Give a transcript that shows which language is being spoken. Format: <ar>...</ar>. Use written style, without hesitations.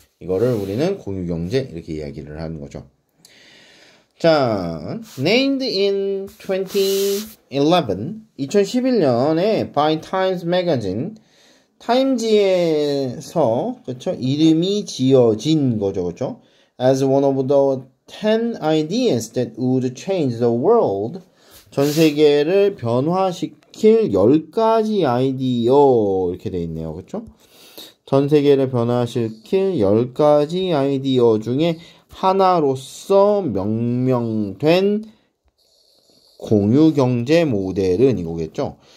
<ko>이거를 우리는 공유경제, 이렇게 이야기를 하는 거죠.</ko> <en>자, named in 2011,</en> <ko>2011년에</ko> <en>by Times Magazine,</en> <ko>타임지에서, 그쵸? 이름이 지어진 거죠, 그쵸?</ko> <en>As one of the 10 ideas that would change the world.</en> <ko>전 세계를 변화시킬 10가지 아이디어 이렇게 돼 있네요. 그렇죠? 전 세계를 변화시킬 10가지 아이디어 중에 하나로서 명명된 공유 경제 모델은 이거겠죠?</ko>